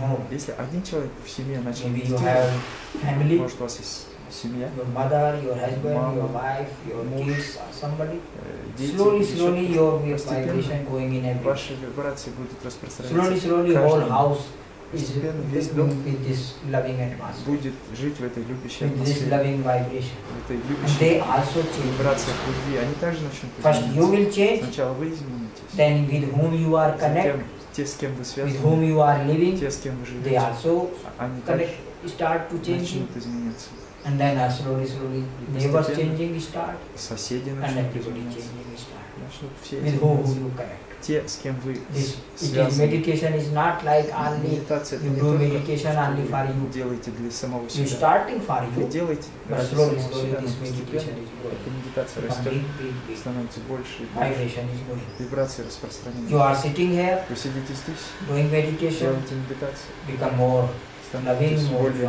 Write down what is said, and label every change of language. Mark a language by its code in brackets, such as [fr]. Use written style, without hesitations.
[ru] если один человек в семье начал медитировать, может, у вас есть семья, [en] your mother, your husband, [ru] мама, [en] your wife, your [ru] муж, [en] kids, somebody. [ru] Дети, [en] slowly, slowly, your vibration going in every. [ru] Ваши вибрации будут распространяться. [en] Slowly, slowly, whole house is [ru] весь дом [en] with this loving atmosphere. [ru] Будет жить в этой любящей [en] with this loving vibration. [ru] В этой любящей атмосфере. Вибрация любви, они также начнут. [en] First, you will change. [ru] Сначала вы изменитесь. [en] Then, with whom you are connect. [ru] Затем, те, с кем вы связаны. [en] With whom you are living. [ru] Те, с кем вы живете. [en] They also [ru] они [en] connect, start to change. [ru] Начнут измениться. [en] And then slowly, slowly, neighbors changing start, and everybody changing start. With whom you connect? [ru] Те, с кем вы связаны. [en] Is meditation is not like only you do meditation only for you. [ru] Делаете для самого себя. [en] You starting for you. [ru] Вы делаете [en] but slowly, slowly, this meditation [ru] медитация [en] is [ru] растет, становится больше. [en] Vibration is going. [ru] Вибрация распространяется. [en] You are sitting here. [ru] Вы сидите здесь. [en] Doing meditation. [ru] Делаете медитацию. [en] Become more. [ru] Более